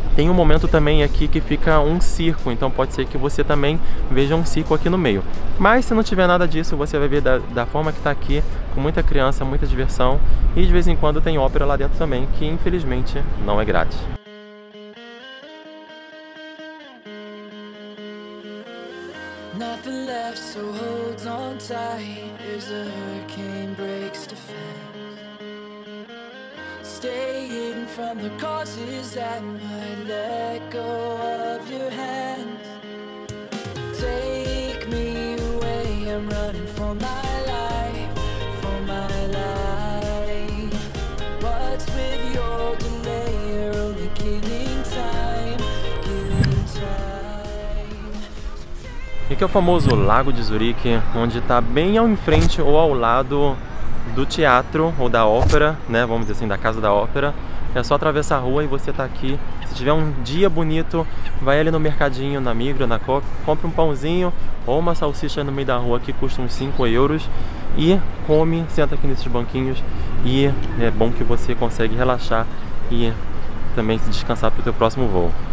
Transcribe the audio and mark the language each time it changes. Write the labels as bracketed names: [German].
[Portuguese] Tem um momento também aqui que fica um circo, então pode ser que você também veja um circo aqui no meio. Mas se não tiver nada disso, você vai ver da forma que tá aqui, com muita criança, muita diversão, e de vez em quando tem ópera lá dentro também, que infelizmente não é grátis. [English] Nothing left, so hold on tight as a hurricane breaks defense. Stay hidden from the causes that might let go of your hands. Take me away, I'm running for my life, for my life. What's with your delay? You're only killing time, killing time. [Portuguese] E que é o famoso Lago de Zurique, onde está bem ao em frente ou ao lado do teatro ou da ópera, né? Vamos dizer assim, da casa da ópera. É só atravessar a rua e você está aqui. Se tiver um dia bonito, vai ali no mercadinho, na Migros, na Coop, compre um pãozinho ou uma salsicha no meio da rua, que custa uns 5 euros, e come, senta aqui nesses banquinhos, e é bom que você consegue relaxar e também se descansar para o seu próximo voo.